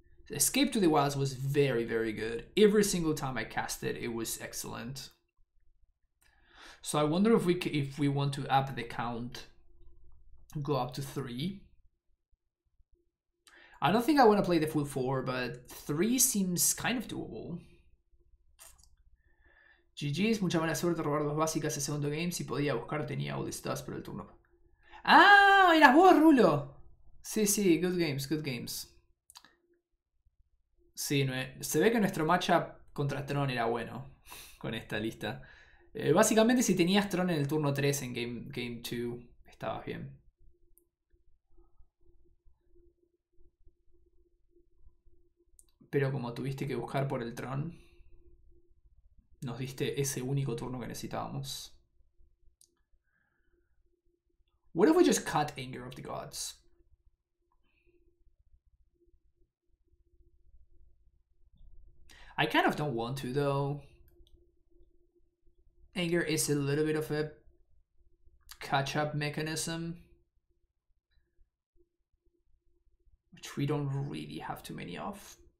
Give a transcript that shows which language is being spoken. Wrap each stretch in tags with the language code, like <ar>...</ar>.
<en>Escape to the Wilds was very, very good. Every single time I cast it, it was excellent. So I wonder if we want to up the count, go up to 3. I don't think I want to play the full 4, but 3 seems kind of doable.</en> <es>GG's, mucha buena suerte robar dos básicas el segundo game. Si podía buscar, tenía</es> <en>all the stats</en> <es>por el turno. Ah, era vos, Rulo. Sí,</es> <en>good games.</en> <es>Sí, se ve que nuestro matchup contra Tron era bueno con esta lista. Básicamente, si tenías Tron en el turno 3 en game 2, estabas bien. Pero como tuviste que buscar por el Tron, nos diste ese único turno que necesitábamos.</es> <en>What if we just cut Anger of the Gods? I kind of don't want to, though. Anger is a little bit of a catch-up mechanism, which we don't really have too many of.</en>